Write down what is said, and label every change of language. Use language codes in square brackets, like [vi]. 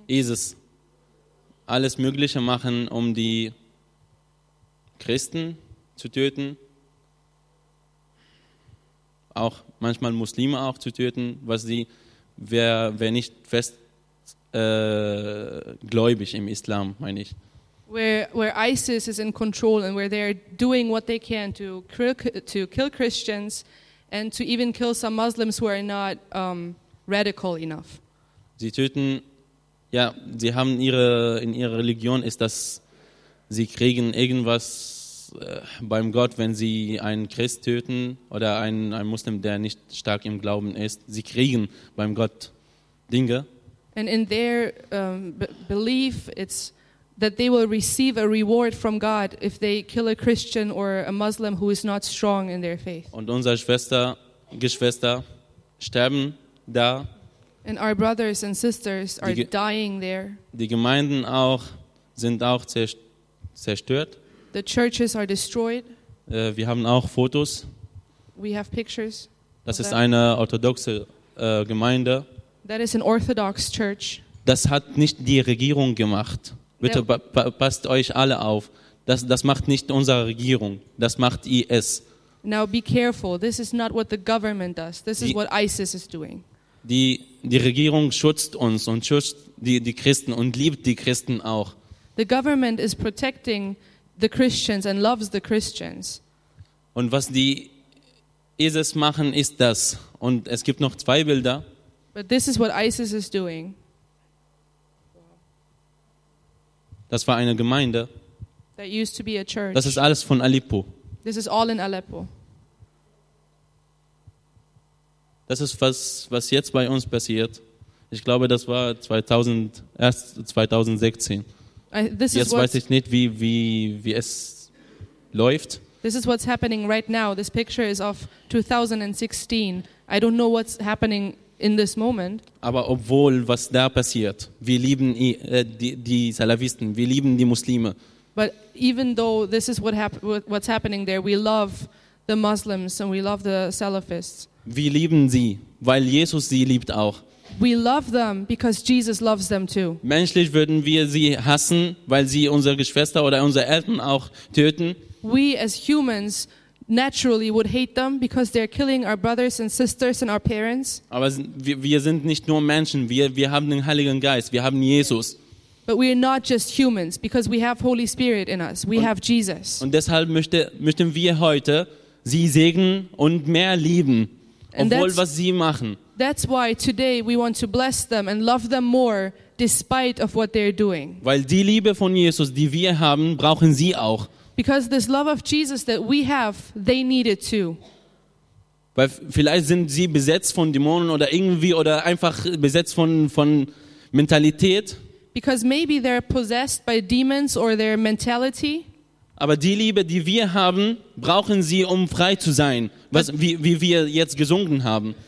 [de] ISIS, alles Mögliche machen, um die Christen zu töten, auch manchmal Muslime auch zu töten, wer nicht fest gläubig im Islam, meine ich. [en] Where ISIS is in control and where they are doing what they can to kill Christians and to even kill some Muslims who are not radical enough. [de] Sie töten, ja, sie haben in ihrer Religion ist das, sie kriegen irgendwas beim Gott, wenn sie einen Christ töten oder einen Muslim, der nicht stark im Glauben ist, sie kriegen beim Gott Dinge. [en] And in their belief, it's that they will receive a reward from God if they kill a Christian or a Muslim who is not strong in their faith. [de] Und unsere Geschwister sterben da. [en] And our brothers and sisters are dying there. [de] Die Gemeinden sind auch zerstört. [en] The churches are destroyed. [de] Wir haben auch Fotos. [en] We have pictures. [de] Das ist eine orthodoxe Gemeinde. [en] That is an orthodox church. [de] Das hat nicht die Regierung gemacht. Bitte passt euch alle auf. Das macht nicht unsere Regierung. Das macht IS. [en] Now be careful. This is not what the government does. This is what ISIS is doing. [de] Die Regierung schützt uns und schützt die Christen und liebt die Christen auch. [en] The government is protecting the Christians and loves the Christians. [de] Und was die ISIS machen, ist das. Und es gibt noch zwei Bilder. [en] But this is what ISIS is doing. [de] Das war eine Gemeinde. [en] That used to be a church. [de] Das ist alles von Aleppo. [en] This is all in Aleppo. [de] Das ist was jetzt bei uns passiert. Ich glaube, das war erst 2016. [en] This [de] jetzt [en] is [de] weiß ich nicht, wie es läuft. [en] This is what's happening right now. This picture is of 2016. I don't know what's happening in this moment. [de] Aber obwohl was da passiert, wir lieben die Salafisten, wir lieben die Muslime. [en] But even though this is what's happening there, we love the Muslims and we love the Salafists. [de] Wir lieben sie, weil Jesus sie liebt auch. [en] We love them because Jesus loves them too. [de] Menschlich würden wir sie hassen, weil sie unsere Geschwister oder unsere Eltern auch töten. [en] We as humans naturally would hate them because they're killing our brothers and sisters and our parents. [de] Aber wir sind nicht nur Menschen, wir haben den Heiligen Geist, wir haben Jesus. [en] But we are not just humans because we have Holy Spirit in us. We have Jesus. [de] Und deshalb möchten wir heute sie segnen und mehr lieben, obwohl was sie machen. [en] That's why today we want to bless them and love them more despite of what they're doing. [de] Weil die Liebe von Jesus, die wir haben, brauchen sie auch. [en] Because this love of Jesus that we have, they need it too. [de] Weil vielleicht sind sie besetzt von Dämonen oder irgendwie oder einfach besetzt von Mentalität. [en] Because maybe they're possessed by demons or their mentality. [de] Aber die Liebe, die wir haben, brauchen sie, um frei zu sein, wie wir jetzt gesungen haben.